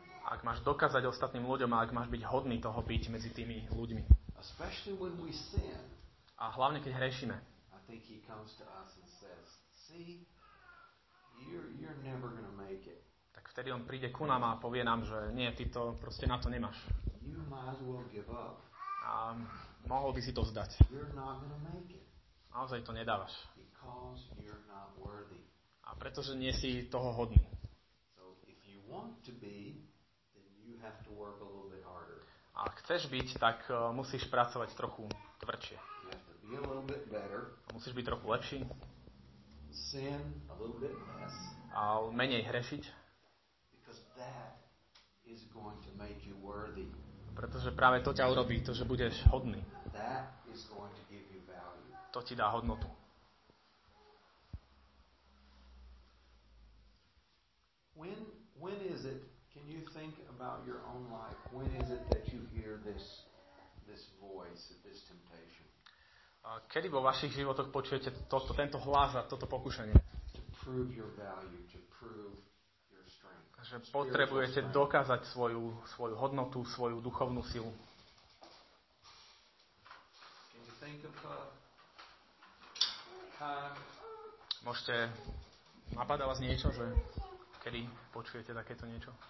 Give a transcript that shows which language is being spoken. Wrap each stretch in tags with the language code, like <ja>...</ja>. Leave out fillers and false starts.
<sk>Ak máš dokázať ostatným ľuďom a ak máš byť hodný toho byť medzi tými ľuďmi.</sk> <en>Especially when we sin.</en> <sk>A hlavne keď hrešíme.</sk> <en>I think he comes to us and says, see, you're never gonna make it.</en> <sk>Tak vtedy on príde ku nám a povie nám, že nie, ty to proste na to nemáš.</sk> <en>You might as well give up.</en> <sk>A mohol by si to vzdať.</sk> <en>You're not gonna make it.</en> <sk>Naozaj to nedávaš.</sk> <en>Because you're not worthy.</en> <sk>A pretože nie si toho hodný.</sk> <en>So if you want to be, have to work a little bit harder.</en> <sk>A chceš byť, tak musíš pracovať trochu tvrdšie.</sk> <en>You have to be a little bit better.</en> <sk>Musíš byť trochu lepší.</sk> <en>Sin a little bit less.</en> <sk>A menej hrešiť.</sk> <en>Because that is going to make you worthy.</en> <sk>Pretože práve to ťa urobí, to, že budeš hodný.</sk> <en>That is going to give you value.</en> <sk>To ti dá hodnotu.</sk> <en>When is it? Can you think about your own life? When is it that you hear this voice, this temptation?</en> <sk>Kedy vo vašich životoch počujete toto, tento hlas a toto pokušenie?</sk> <en>To prove your value, to prove your strength.</en> <sk>Že potrebujete dokázať svoju hodnotu, svoju duchovnú silu.</sk> <en>Can you think of</en> <sk>Môžete, napadá vás niečo, že kedy počujete takéto niečo?</sk>